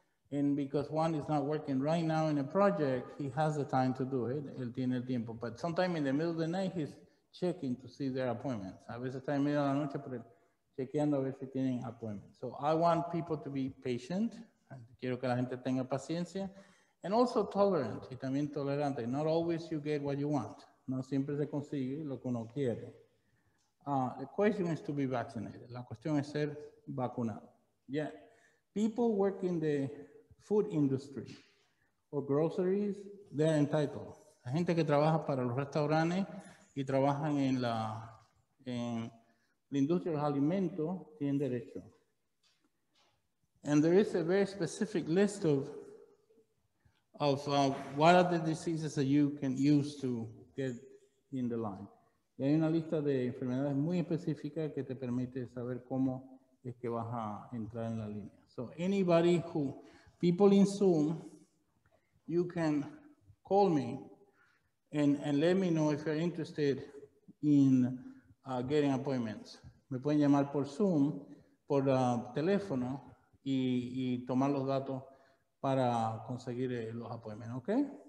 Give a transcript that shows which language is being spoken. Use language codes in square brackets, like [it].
[en] And because Juan is not working right now in a project, he has the time to do it. [es] Él tiene el tiempo. [en] But sometime in the middle of the night, he's checking to see their appointments. [es] A veces está en medio de la noche, pero chequeando a ver si tienen appointments. [en] So I want people to be patient. [es] Quiero que la gente tenga paciencia. [en] And also tolerant, [es] y también tolerante. [en] Not always you get what you want. No siempre se consigue lo que uno quiere. The question is to be vaccinated. [es] La cuestión es ser vacunado. [en] Yeah. People work in the food industry or groceries, they're entitled. [es] La gente que trabaja para los restaurantes y trabajan en la industria de los alimentos tienen derecho. [en] And there is a very specific list of what are the diseases that you can use to get in the line. [es] Y hay una lista de enfermedades muy específica que te permite saber cómo es que vas a entrar en la línea. [en] So anybody who, people in Zoom, you can call me and let me know if you're interested in getting appointments. [es] Me pueden llamar por Zoom, por teléfono y tomar los datos para conseguir los appointments, okay?